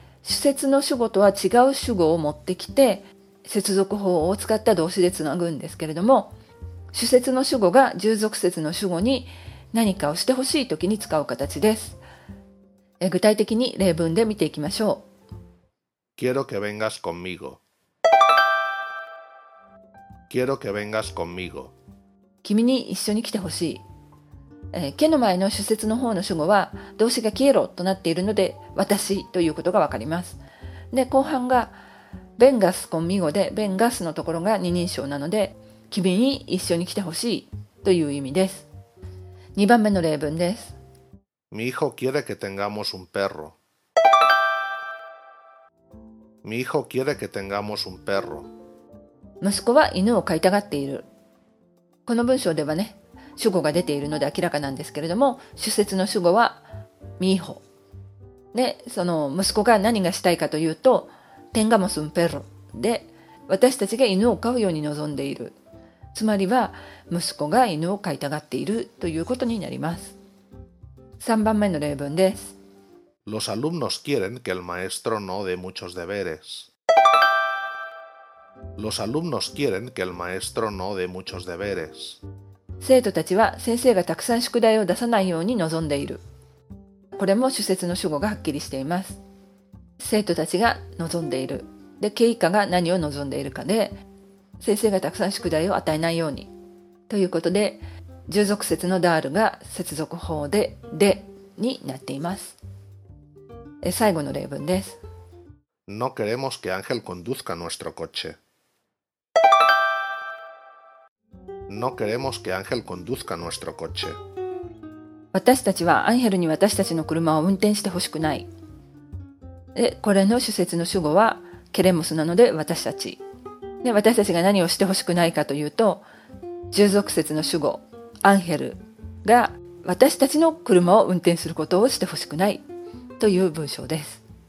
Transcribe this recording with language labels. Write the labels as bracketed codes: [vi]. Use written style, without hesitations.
[ja] 主節の主語とは違う主語を持ってきて、接続法を使った動詞でつなぐんですけれども、主節の主語が従属節の主語に何かをしてほしいときに使う形です。具体的に例文で見ていきましょう。 [es] Quiero que vengas conmigo. Quiero que vengas conmigo. [ja] 君に一緒に来てほしい。けの前の主節の方の主語は動詞が消えろとなっているので私ということがわかります。で、後半が [es] ベンガスコンミゴ [ja] で、ベンガスのところが二人称なので君に一緒に来てほしいという意味です。 2番目の例文です。 [es] Mi hijo quiere que tengamos un perro. Mi hijo quiere que tengamos un perro. [ja] 息子は犬を飼いたがっている。この文章ではね、主語が出ているので明らかなんですけれども、主節の主語はミーホで、その息子が何がしたいかというと、 [es] テンガモスンペロ [ja] で、私たちが犬を飼うように望んでいる、つまりは息子が犬を飼いたがっているということになります。 3番目の例文です。 [es] Los alumnos quieren que el maestro no dé muchos deberes. Los alumnos quieren que el maestro no dé muchos deberes. [ja] 生徒たちは先生がたくさん宿題を出さないように望んでいる。これも主節の主語がはっきりしています。生徒たちが望んでいる、で、経過が何を望んでいるかで、先生がたくさん宿題を与えないようにということで、従属節のダールが接続法でデになっています。最後の例文です。 [es] No queremos que Ángel conduzca nuestro cocheNo queremos que Ángel conduzca nuestro coche. [ja] 私たちはアンヘルに私たちの車を運転してほしくない。で、これの主節の主語はケレモスなので私たち。で、私たちが何をしてほしくないかというと、従属節の主語アンヘルが私たちの車を運転することをしてほしくないという文章です。